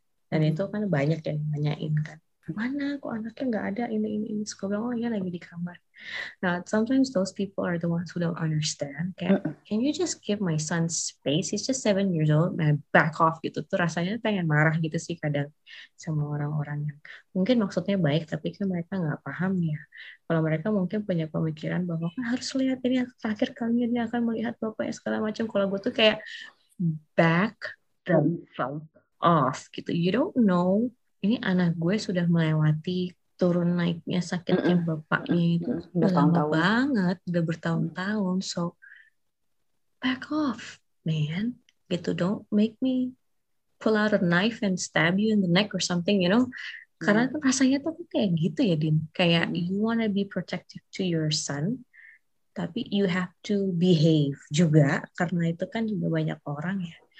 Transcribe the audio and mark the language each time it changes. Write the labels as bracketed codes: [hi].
[id] Dan itu kan banyak yang nanyain kan. Mana kok anaknya gak ada ini. Suka bilang, oh iya lagi di kamar. [en] Now, sometimes those people are the ones who don't understand. Can you just give my son space? He's just 7 years old. Man, back off [id] gitu. Tuh rasanya pengen marah gitu sih kadang sama orang-orang yang mungkin maksudnya baik, tapi kan mereka gak paham ya. Kalau mereka mungkin punya pemikiran bahwa kan harus lihat ini, terakhir kali ini akan melihat bapaknya segala macam. Kalau gue tuh kayak [en] back the fuck off [id] gitu. [en] You don't know. [id] Ini anak gue sudah melewati turun naiknya sakitnya bapaknya itu lama banget, udah bertahun-tahun. [en] So, back off, man. [id] Gitu, [en] don't make me pull out a knife and stab you in the neck or something, you know. [id] Karena rasanya tuh kayak gitu ya, Din. Kayak [en] you wanna be protective to your son, [id] tapi [en] you have to behave [id] juga, karena itu kan juga banyak orang ya.